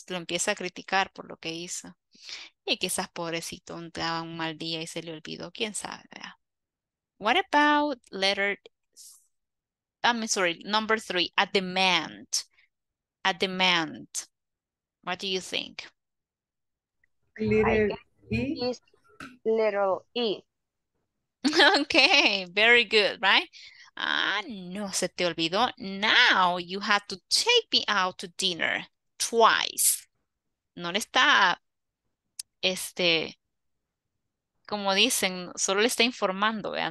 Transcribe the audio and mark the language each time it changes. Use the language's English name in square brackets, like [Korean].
[Spanish] Lo empieza a criticar por lo que hizo. Y quizás pobrecito daba un mal día y se le olvidó, quién sabe, ¿verdad? [English] What about letter, I'm sorry, number three, a demand. A demand. What do you think? Little E. Okay, very good, right? [Spanish] No se te olvidó. [English] Now you have to take me out to dinner twice. [Spanish] No le está, como dicen, solo le está informando, ¿verdad?